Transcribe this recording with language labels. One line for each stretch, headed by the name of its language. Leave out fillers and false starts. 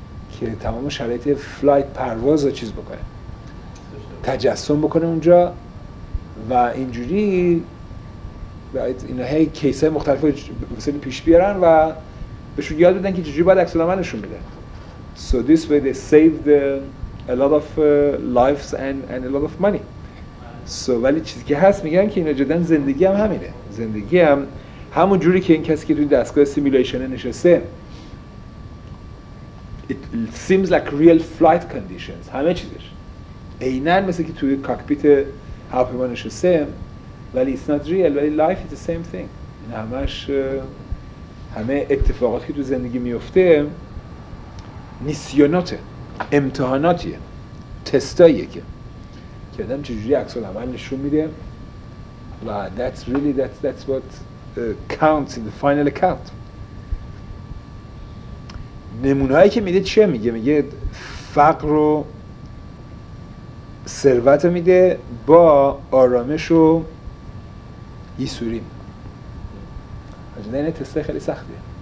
Persian: که تمام شرایط فلایت پرواز رو چیز بکنه، تجسم بکنه اونجا. و اینجوری باید اینا هی کیس های مختلف مثلا پیش بیارن و بهشون یاد بدن که چجوری باید عکس العمل نشون بده.
English: So this way they saved a lot of lives and a lot of money.
Persian: So ولی چیزی که هست میگن که اینا جدن زندگی هم همینه. زندگی هم همون جوری که این کسی که توی دستگاه سیمولیشن نشسته
English: it seems like real flight conditions،
Persian: همه چیزش عیناً مثل که توی کاکپیت هواپیما نشسته، ولی
English: it's not real،
Persian: ولی
English: life is the same thing.
Persian: این همش همه اتفاقاتی که تو زندگی میفته میسیوناته، امتحاناتیه، تستاییه که آدم چجوری عکس العمل نشون میده.
English: و that's what counts in the final account.
Persian: نمونه هایی که میده چیه؟ میگه فقر و ثروت میده با آرامش و ایسوری. حاجده اینه تسته خیلی سختیه.